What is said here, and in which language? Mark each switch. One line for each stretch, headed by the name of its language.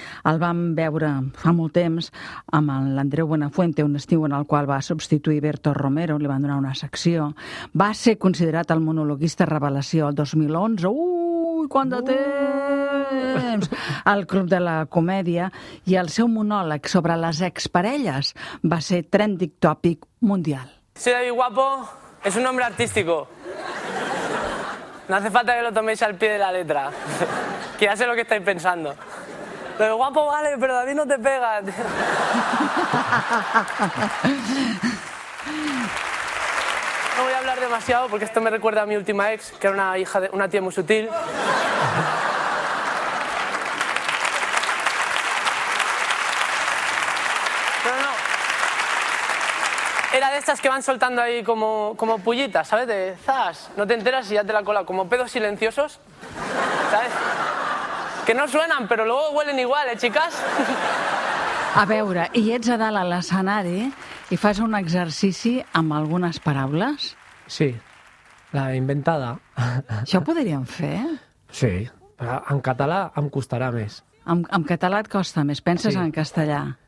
Catalan: El vam veure fa molt temps amb l'Andreu Buenafuente, un estiu en el qual va substituir Berto Romero, li van donar una secció. Va ser considerat el monologuista revelació el 2011. Ui, quant de temps! temps al Club de la Comèdia i el seu monòleg sobre les exparelles va ser trending topic mundial.
Spanish: Sí, David Guapo es un nombre artístico. No hace falta que lo toméis al pie de la letra, que ya sé lo que estáis pensando. Lo de guapo vale, pero David no te pega. No voy a hablar demasiado porque esto me recuerda a mi última ex, que era una hija de una tía muy sutil. Era de estas que van soltando ahí como pullitas, ¿sabes? De zas, no te enteras y ya te la cola. Como pedos silenciosos, ¿sabes? Que no suenan, pero luego huelen igual, ¿eh, chicas?
Catalan: A veure, i ets a dalt a l'escenari i fas un exercici amb algunes paraules? Sí, la inventada. Això ho podríem fer? Sí, però en català em costarà més. En català et costa més, penses sí. En castellà?